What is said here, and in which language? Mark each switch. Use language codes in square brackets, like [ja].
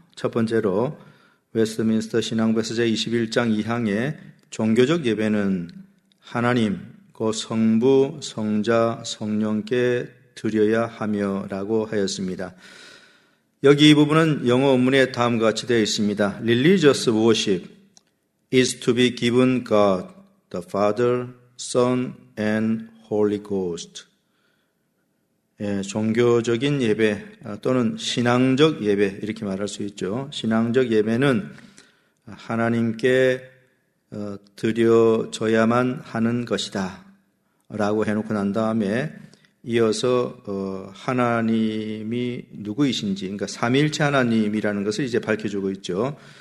[ko] 첫 번째로 웨스트민스터 신앙고백서 제21장 2항에 종교적 예배는 하나님, 곧 성부, 성자, 성령께 드려야 하며라고 하였습니다. 여기 이 부분은 영어 원문에 다음과 같이 되어 있습니다. [en] Religious worship is to be given God, the Father, Son, and Holy Ghost. [ko] 예, 종교적인 예배 또는 신앙적 예배 이렇게 말할 수 있죠. 신앙적 예배는 하나님께 드려져야만 하는 것이다 라고 해놓고 난 다음에 이어서 하나님이 누구이신지, 그러니까 삼위일체 하나님이라는 것을 이제 밝혀주고 있죠.